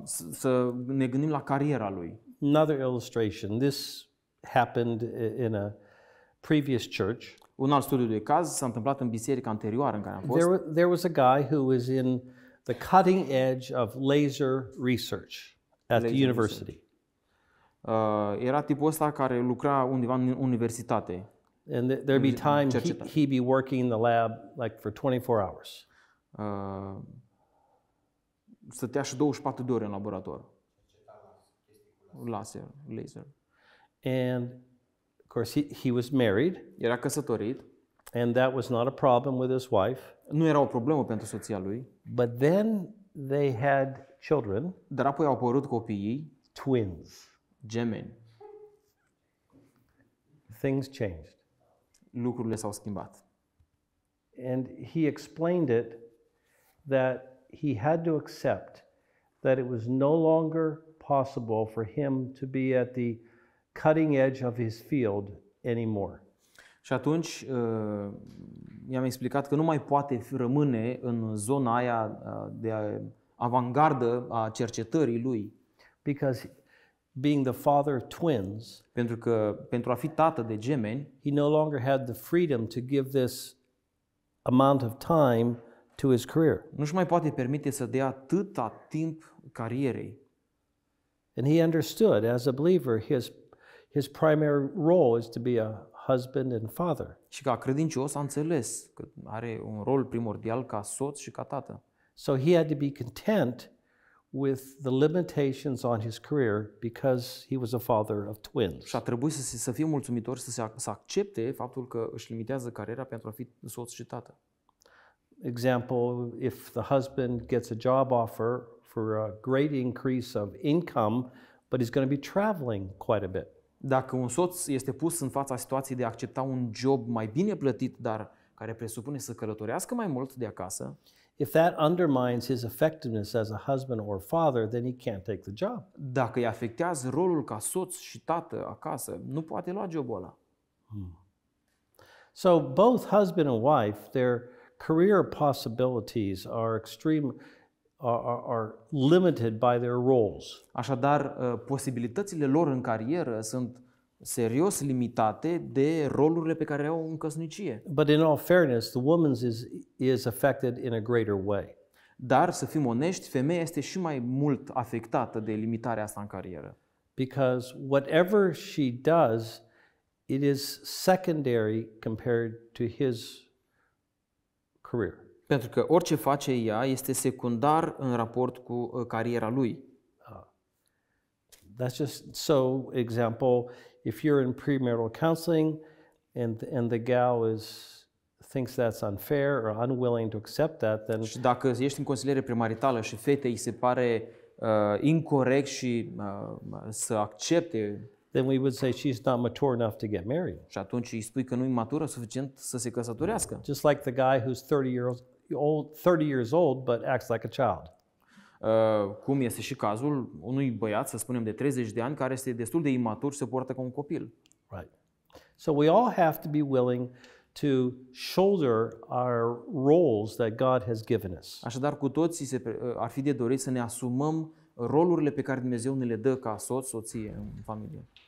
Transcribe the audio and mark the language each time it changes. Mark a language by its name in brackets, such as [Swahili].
[Romanian] Să ne gândim la cariera lui. [English] Another illustration. This happened in a previous church. [Romanian] Un alt studiu de caz s-a întâmplat în biserica anterioară în care am fost. [English] There was a guy who was in the cutting edge of laser research at the university. [Romanian] Era tipul ăsta care lucra undeva în universitate. [English] And there'd be time he'd be working in the lab like for 24 hours. [Romanian] stătea și 24 de ore în laborator. [English] Laser, laser. And of course he was married. [Romanian] Era căsătorit. [English] And that was not a problem with his wife. [Romanian] Nu era o problemă pentru soția lui. [English] But then they had children. [Romanian] Dar apoi au apărut copiii. [English] Twins. [Romanian] Gemeni. [English] Things changed. [Romanian] Lucrurile s-au schimbat. [English] And he explained it that he had to accept that it was no longer possible for him to be at the cutting edge of his field anymore. [Romanian] Și atunci i-am explicat că nu mai poate rămâne în zona aia de avangardă a cercetării lui. [English] Because being the father of twins, [Romanian] pentru că pentru a fi tată de gemeni, [English] he no longer had the freedom to give this amount of time to his career. [Romanian] Nu își mai poate permite să dea atâta timp carierei. [English] And he understood as a believer his primary role is to be a husband and father. [Romanian] Și ca credincios a înțeles că are un rol primordial ca soț și ca tată. [English] So he had to be content with the limitations on his career because he was a father of twins. [Romanian] Și a trebuit să fie mulțumitor să accepte faptul că își limitează cariera pentru a fi soț și tată. [English] Example, if the husband gets a job offer for a great increase of income, but he's going to be traveling quite a bit. [Romanian] Dacă un soț este pus în fața situației de a accepta un job mai bine plătit, dar care presupune să călătorească mai mult de acasă, [English] if that undermines his effectiveness as a husband or father, then he can't take the job. [Romanian] Dacă îi afectează rolul ca soț și tată acasă, nu poate lua jobul ăla. Hmm. [English] So both husband and wife, their career possibilities are limited by their roles. [Romanian] Așadar, posibilitățile lor în carieră sunt serios limitate de rolurile pe care le au în căsnicie. [English] But in all fairness, the woman's is affected in a greater way. [Romanian] Dar să fim onești, femeia este și mai mult afectată de limitarea asta în carieră. [English] Because whatever she does, it is secondary compared to his career. [Romanian] Pentru că orice face ea este secundar în raport cu cariera lui. [English] That's just so example. If you're in premarital counseling and the gal thinks that's unfair or unwilling to accept that, then [Romanian] și dacă ești în consiliere premaritală și fetei îi se pare incorrect și să accepte, [English] then we would say she's not mature enough to get married. [Romanian] Și atunci îi spui că nu e matură suficient să se căsătorească. [English] Just like the guy who's 30 years old but acts like a child. [Romanian] Cum este și cazul unui băiat, să spunem, de 30 de ani, care este destul de imatur și se poartă ca un copil. [English] Right. So we all have to be willing to shoulder our roles that God has given us. [Romanian] Așadar, cu toții ar fi de dorit să ne asumăm rolurile pe care Dumnezeu ne le dă ca soț, soție, în familie.